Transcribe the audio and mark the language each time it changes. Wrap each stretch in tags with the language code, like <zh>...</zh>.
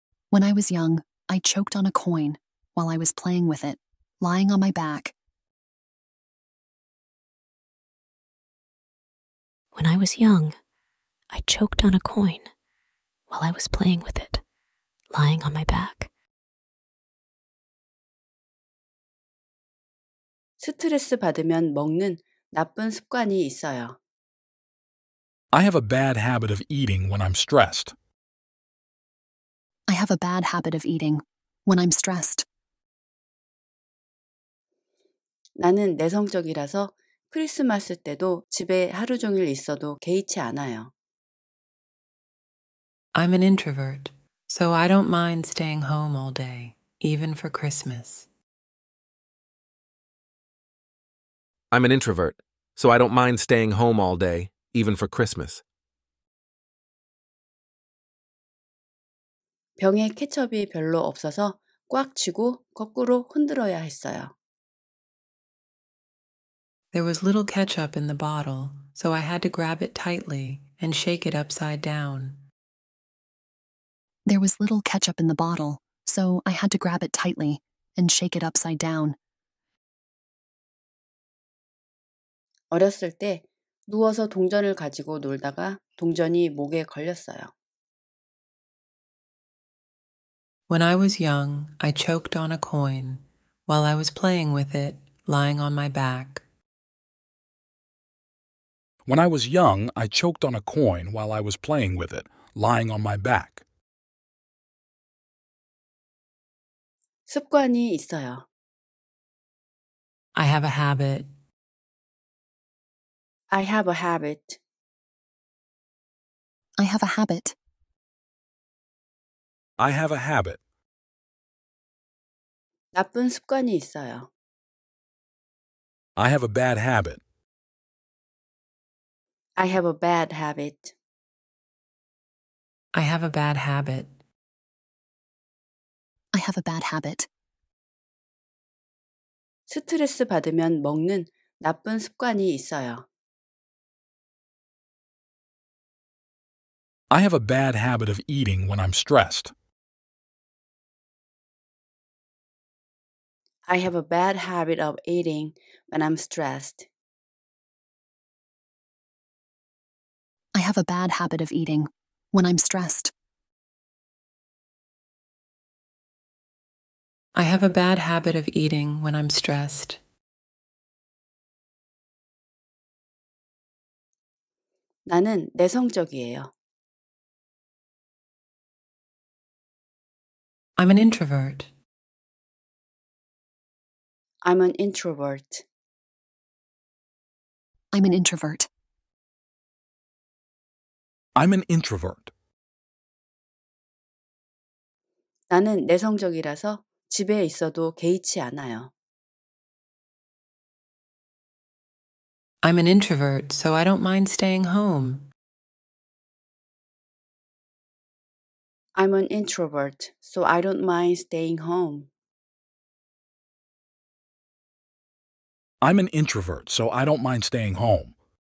<en>When I was young, I choked on a coin while I was playing with it, lying on my back. When I was young, I choked on a coin while I was playing with it, lying on my back.</en> <ko>스트레스 받으면 먹는 나쁜 습관이 있어요.</ko> <en>I have a bad habit of eating when I'm stressed. I have a bad habit of eating when I'm stressed.</en> <ko>나는 내성적이라서 크리스마스 때도 집에 하루 종일 있어도 개의치 않아요.</ko> <en>I'm an introvert, so I don't mind staying home all day, even for Christmas. I'm an introvert, so I don't mind staying home all day, even for Christmas.</en> <ko>병에 케첩이 별로 없어서 꽉 쥐고 거꾸로 흔들어야 했어요.</ko> <en>There was little ketchup in the bottle, so I had to grab it tightly and shake it upside down. There was little ketchup in the bottle, so I had to grab it tightly and shake it upside down.</en> <ko>어렸을 때 누워서 동전을 가지고 놀다가 동전이 목에 걸렸어요.</ko> <en>When I was young, I choked on a coin while I was playing with it, lying on my back. When I was young, I choked on a coin while I was playing with it, lying on my back.</en> <ko>습관이 있어요.</ko> <en>I have a habit. I have a habit. I have a habit. I have a habit.</en> <ko>나쁜 습관이 있어요.</ko> <en>I have a bad habit. I have a bad habit. I have a bad habit. I have a bad habit.</en> <ko>스트레스 받으면 먹는 나쁜 습관이 있어요.</ko> <en>I have a bad habit of eating when I'm stressed. I have a bad habit of eating when I'm stressed. I have a bad habit of eating when I'm stressed. I have a bad habit of eating when I'm stressed.</en> <ko>나는 내성적이에요.</ko> <en>I'm an introvert. I'm an introvert. I'm an introvert. I'm an introvert.</en> <ko>나는 내성적이라서 집에 있어도 개의치 않아요.</ko> <en>I'm an introvert, so I don't mind staying home. I'm an introvert, so I don't mind staying home. I'm an introvert, so I don't mind staying home.</en>